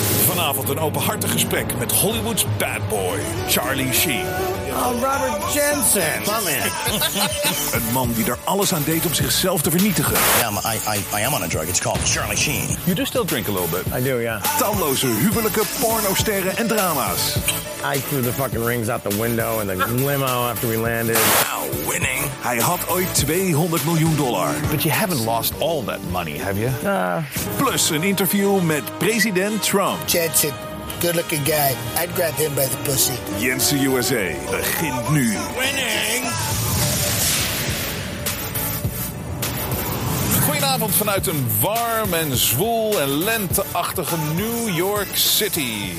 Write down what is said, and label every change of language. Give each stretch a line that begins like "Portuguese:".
Dutch: Vanavond een openhartig gesprek met Hollywood's bad boy, Charlie Sheen.
English: I'm Robert Jensen. Come in.
Dutch: Een man die er alles aan deed om zichzelf te vernietigen.
English: Yeah, I am on a drug. It's called Charlie Sheen. You do still drink a little bit. I do, yeah.
Dutch: Talloze huwelijken, pornosterren en drama's.
English: I threw the fucking rings out the window and the limo after we landed. Now winning.
Dutch: Hij had ooit
English: $200 million. But you haven't lost all that money, have you?
Dutch: Plus een interview met president Trump.
English: Jensen, good looking guy. I'd grab him by the pussy.
Dutch: Jensen USA begint nu.
English: Winning.
Dutch: Goedenavond vanuit een warm en zwoel en lenteachtige New York City.